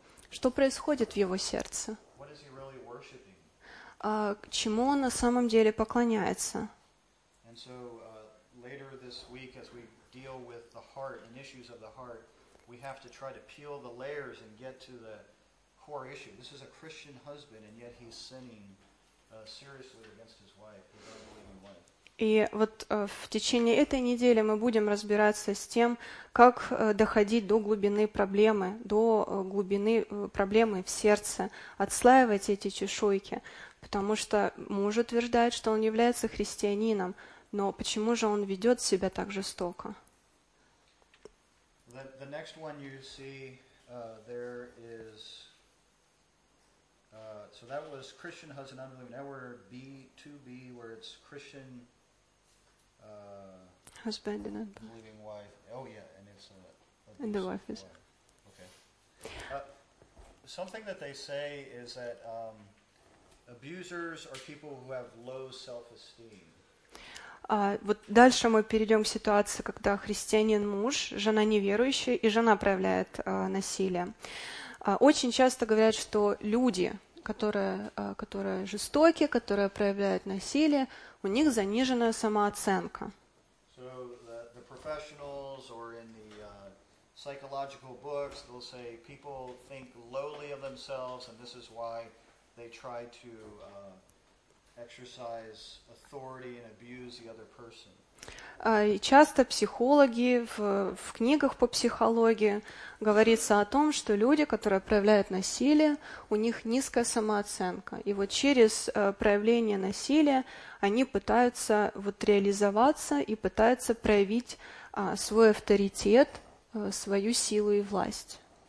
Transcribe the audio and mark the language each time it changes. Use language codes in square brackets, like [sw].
[ru] Что происходит в его сердце? [en] Really [ru] чему он на самом деле поклоняется? [en] And so, later this week, as we deal with the heart and issues of the heart, we have to try to peel the layers and get to the core issue. This is a Christian husband, and yet he's sinning seriously against his wife, his unbelieving wife. [ru] И вот в течение этой недели мы будем разбираться с тем, как доходить до глубины проблемы, до глубины проблемы в сердце, отслаивать эти чешуйки, потому что муж утверждает, что он является христианином, но почему же он ведет себя так жестоко? [en] The next one you see there is so that was Christian husband unbelieving. Now we're B2B where it's Christian husband and unbelieving wife. Oh yeah, and it's and the wife is okay. Something that they say is that abusers are people who have low self-esteem. [ru] Вот дальше мы перейдем к ситуации, когда христианин муж, жена неверующая, и жена проявляет насилие. Очень часто говорят, что люди, которые жестоки, которые проявляют насилие, у них заниженная самооценка. [en] So the professionals or in the psychological books, they'll say people think lowly of themselves, and this is why they try to exercise authority and abuse the other person. [ru] И часто психологи в книгах по психологии говорится о том, что люди, которые проявляют насилие, у них низкая самооценка. И вот через проявление насилия они пытаются вот реализоваться и пытаются проявить свой авторитет, свою силу и власть.